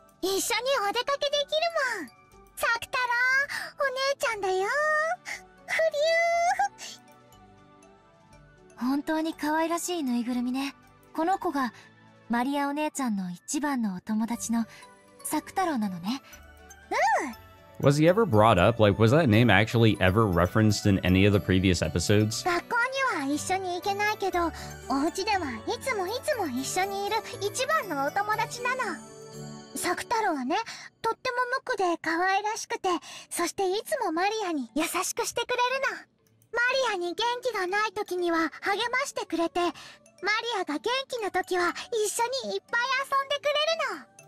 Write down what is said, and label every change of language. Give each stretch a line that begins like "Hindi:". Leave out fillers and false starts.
Japanese: 一緒にお出かけできるもん。サクタロお姉ちゃんだよ。フリュー。本当に可愛らしいぬいぐるみね。この子がマリアお姉ちゃんの一番のお友達のサクタロなのね。うん。
English: Was he ever brought up? Like, was that name actually ever referenced in any of the previous episodes?
Japanese: 学校には一緒に行けないけど、お家ではいつもいつも一緒にいる一番のお友達なの。サクタロはね、とっても無垢で可愛らしくて、そしていつもマリアに優しくしてくれるの。マリアに元気がない時には励ましてくれて、マリアが元気な時は一緒にいっぱい遊んでくれるの。